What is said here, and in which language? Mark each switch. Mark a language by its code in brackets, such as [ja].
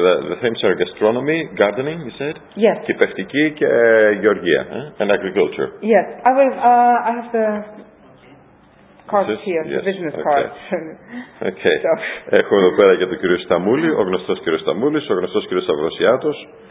[en] The themes are gastronomy, gardening, you said. Yes. [el] Και πεφτική και γεωργία. [en] And agriculture. Yes. I have the cards here, the business cards. Okay. [el] Έχω εδώ πέρα και τον κύριο Σταμούλη, ο γνωστός κύριος Σταμούλης, ο γνωστός κύριος Αυροσιάτος.